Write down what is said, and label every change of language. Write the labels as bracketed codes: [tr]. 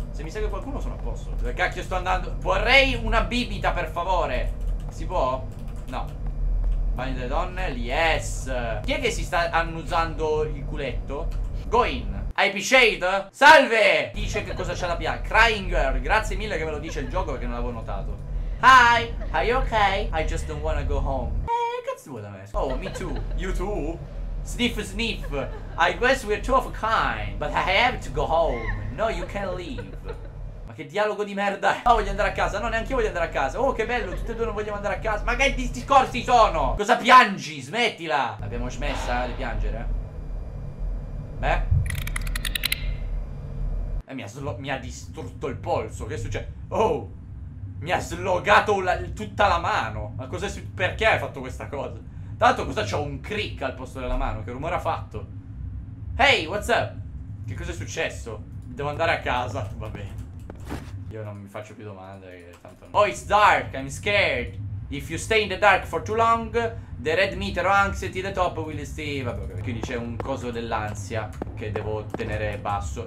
[it] Se mi segue qualcuno sono a posto. Dove cacchio sto andando? Vorrei una bibita, per favore. Si può? No. Bagno delle donne, yes. Chi è che si sta annusando il culetto? [en] Go in. [it] Happy Shade? Salve! Dice che cosa c'ha da piangere. Crying Girl, grazie mille che me lo dice il gioco perché non l'avevo notato. [en] Hi, are you okay? I just don't wanna go home. [it] Cazzo vuoi da me? [en] Oh, me too. You too? [it] Sniff sniff. [en] I guess we're two of a kind. But I have to go home. No, you can't leave. [it] Ma che dialogo di merda. No, voglio andare a casa. No, neanche io voglio andare a casa. Oh, che bello, tutti e due non vogliamo andare a casa. Ma che discorsi sono? Cosa piangi? Smettila. Abbiamo smessa di piangere? Beh? E mi ha distrutto il polso. Che succede? Oh, mi ha slogato tutta la mano. Ma cos'è? Perché hai fatto questa cosa? Tanto cosa c'ho un crick al posto della mano? Che rumore ha fatto? [en] Hey, what's up? [it] Che cosa è successo? Devo andare a casa. Va bene. Io non mi faccio più domande. Tanto non... [en] Oh, it's dark. I'm scared. If you stay in the dark for too long, the red meter anxiety the top will stay. [it] Vabbè, okay. Quindi c'è un coso dell'ansia che devo tenere basso.